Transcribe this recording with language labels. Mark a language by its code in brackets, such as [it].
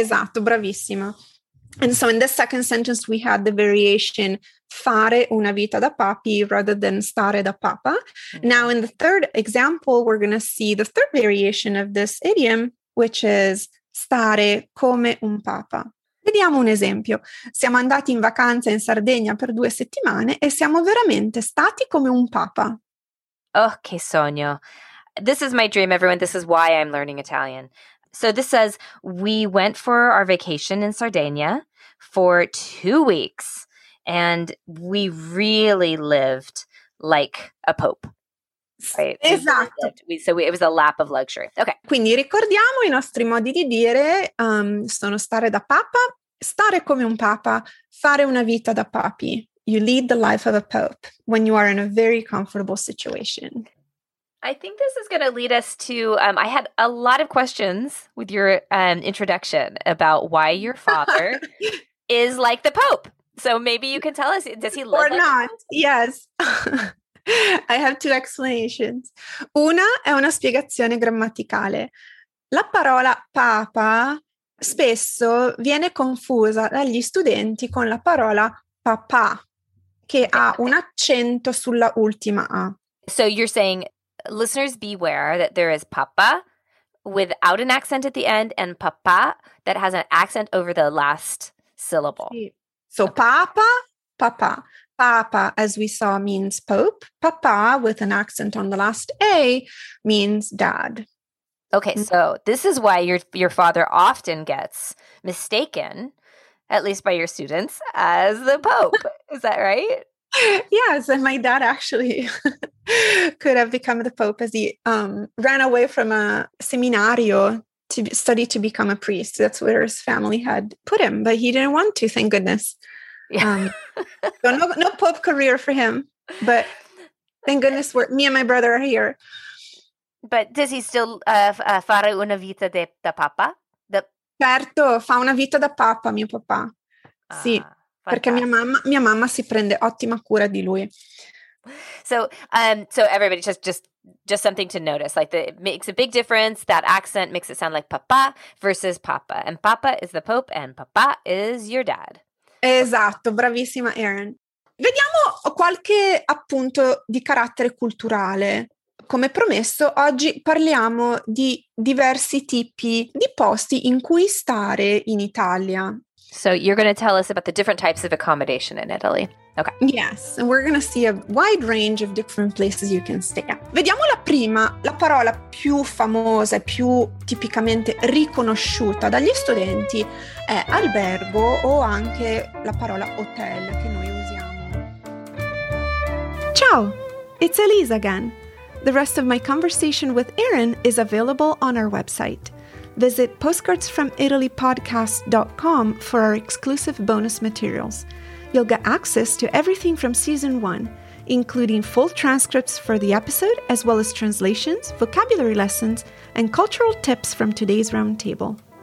[it] Esatto, bravissima. [en] And so in the second sentence, we had the variation fare una vita da papi rather than stare da papa. Mm-hmm. Now in the third example, we're going to see the third variation of this idiom, which is stare come un papa. [it] Vediamo un esempio. Siamo andati in vacanza in Sardegna per 2 settimane e siamo veramente stati come un papa. Oh, che sogno. [en] This is my dream, everyone. This is why I'm learning Italian. So this says, we went for our vacation in Sardinia for 2 weeks and we really lived like a pope. Right? [it] Esatto. [en] It was a lap of luxury. Okay. [it] Quindi ricordiamo i nostri modi di dire, sono stare da papa, stare come un papa, fare una vita da papi. [en] You lead the life of a pope when you are in a very comfortable situation. I think this is going to lead us to, I had a lot of questions with your introduction about why your father is like the Pope. So maybe you can tell us, does he look or like not? The Pope? Yes. I have 2 explanations. [it] Una è una spiegazione grammaticale. La parola Papa spesso viene confusa dagli studenti con la parola Papa, che ha un accento sulla ultima A. [en] So you're saying, listeners, beware that there is papa without an accent at the end and papa that has an accent over the last syllable. So papa, papa. Papa, as we saw, means pope. Papa with an accent on the last A means dad. Okay, so this is why your father often gets mistaken, at least by your students, as the pope. Is that right? Yes, and my dad actually could have become the Pope as he ran away from a seminario to study to become a priest. That's where his family had put him, but he didn't want to, thank goodness. Yeah. So no Pope career for him, but thank goodness me and my brother are here. But does he still [it] fare una vita da papa? Certo, fa una vita da papa, mio papà. Sì. Perché mia mamma si prende ottima cura di lui. [en] So everybody, just something to notice. Like, it makes a big difference. That accent makes it sound like papa versus papa. And papa is the Pope and papa is your dad. [it] Esatto, bravissima Erin. Vediamo qualche appunto di carattere culturale. Come promesso, oggi parliamo di diversi tipi di posti in cui stare in Italia. [en] So you're going to tell us about the different types of accommodation in Italy. Okay. Yes, and we're going to see a wide range of different places you can stay. [it] Vediamo la prima, la parola più famosa e più tipicamente riconosciuta dagli studenti è albergo o anche la parola hotel che noi usiamo. [en] Ciao, it's Elise again. The rest of my conversation with Erin is available on our website. Visit postcardsfromitalypodcast.com for our exclusive bonus materials. You'll get access to everything from season one, including full transcripts for the episode, as well as translations, vocabulary lessons, and cultural tips from today's roundtable.